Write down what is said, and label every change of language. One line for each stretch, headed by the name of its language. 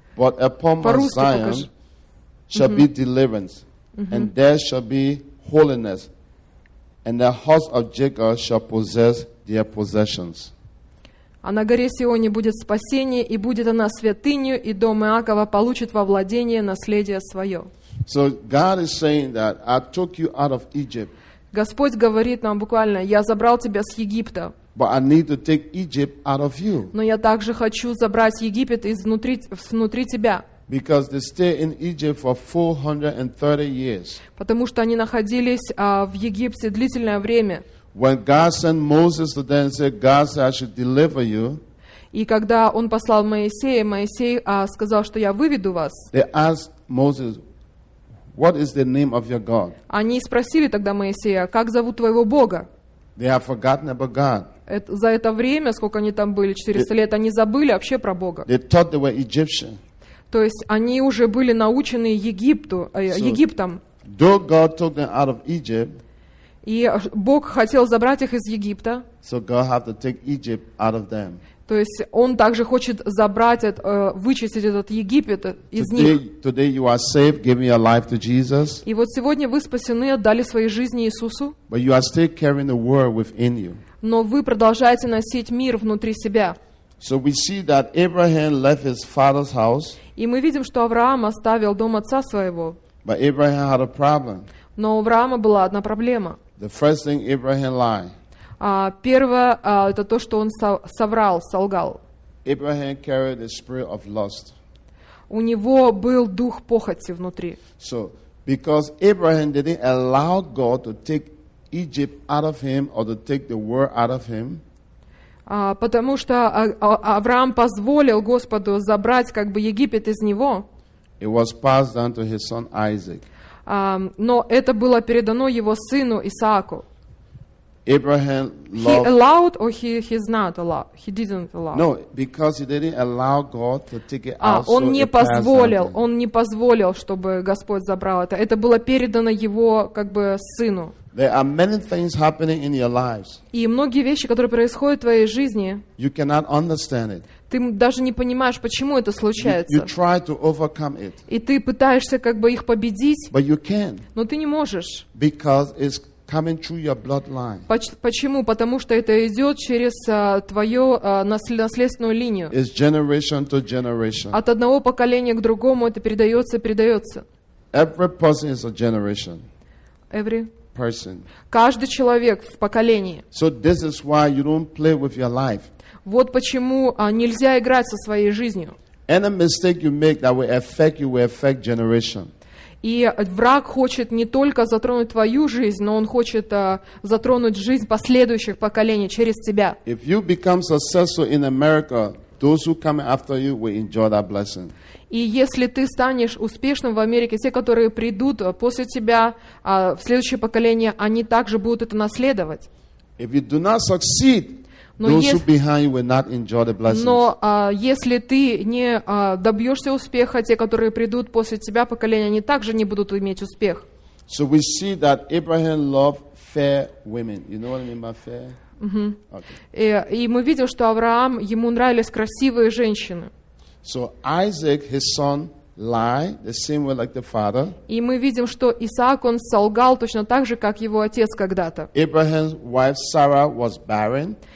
English: But upon Mount Zion shall be deliverance, and there shall be holiness, and the house of Jacob shall possess their possessions.
Russian: А на горе Сионе будет спасение, и будет она святынью, и дом Иакова получит во владение наследие свое.
English: So God is saying that I took you out of Egypt.
Russian: Господь говорит нам буквально, я забрал тебя с Египта.
English: But I need to take Egypt out of you.
Russian: Но я также хочу забрать Египет изнутри тебя.
English: Because they stayed in Egypt for 430 years.
Russian: Потому что они находились в Египте длительное время.
English: When God sent Moses to them and said, God said, I should deliver you.
Russian: И когда он послал Моисея, Моисей сказал, что я выведу вас.
English: They asked Moses, what is the name of your God?
Russian: Они спросили тогда Моисея, как зовут твоего Бога?
English: They have forgotten about God.
Russian: За это время, сколько они там были, 400 лет, они забыли вообще про Бога.
English: They thought they were Egyptian.
Russian: То есть они уже были научены Египту, Египтом.
English: Though God took them out of Egypt,
Russian: и Бог хотел забрать их из Египта.
English: So God had to take Egypt out of them.
Russian: То есть Он также хочет забрать, вычистить этот Египет из
English: today,
Russian: них.
English: Today
Russian: и вот сегодня вы спасены, отдали свои жизни Иисусу.
English: But you are still carrying the world within you.
Russian: Но вы продолжаете носить мир внутри себя.
English: So we see that Abraham left his father's house.
Russian: И мы видим, что Авраам оставил дом отца своего.
English: But Abraham had a problem.
Russian: Но у Авраама была одна проблема.
English: The first thing Abraham lied.
Russian: Первое, это то, что он соврал, солгал.
English: Abraham carried the spirit of lust.
Russian: У него был дух похоти внутри.
English: So, because Abraham didn't allow God to take Egypt out of him or to take the world out of him.
Russian: Потому что Авраам позволил Господу забрать как бы Египет из него.
English: It was passed down to his son Isaac.
Russian: Но это было передано его сыну Исааку.
English: Abraham loved. He allowed or he's not allowed. He didn't allow. No, because he didn't allow God to take it out.
Russian: Он не позволил. Он не позволил, чтобы Господь забрал это. Это было передано его как бы сыну.
English: There are many things happening in your lives.
Russian: И многие вещи, которые происходят в твоей жизни.
English: You cannot understand it.
Russian: Ты даже не понимаешь, почему это случается.
English: You try to overcome it.
Russian: И ты пытаешься как бы их победить.
English: But you can't.
Russian: Но ты не можешь.
English: Because it's coming through your bloodline.
Russian: Почему? Потому что это идет через твою наследственную линию.
English: It's generation to generation.
Russian: От одного поколения к другому это передается.
English: Every person is a generation. Every person.
Russian: Каждый человек в поколении.
English: So this is why you don't play with your life.
Russian: Вот почему нельзя играть со своей жизнью.
English: Any mistake you make that will affect generation.
Russian: И враг хочет не только затронуть твою жизнь, но он хочет затронуть жизнь последующих поколений через тебя.
English: If you become successful in America, those who come after you will enjoy that blessing.
Russian: И если ты станешь успешным в Америке, те, которые придут после тебя, в следующее поколение, они также будут это наследовать.
English: If you do not succeed, those who behind you will not enjoy the blessings.
Russian: Но если ты не добьешься успеха, те, которые придут после тебя поколения, они также не будут иметь успех.
English: So we see that Abraham loved fair women. You know what I mean by fair? Mm-hmm. Okay.
Russian: И мы видим, что Авраам ему нравились красивые женщины.
English: So Isaac, his son, lie, the same way like the father.
Russian: И мы видим, что Исаак, он солгал точно так же, как его отец когда-то.
English: Abraham's wife Sarah was barren.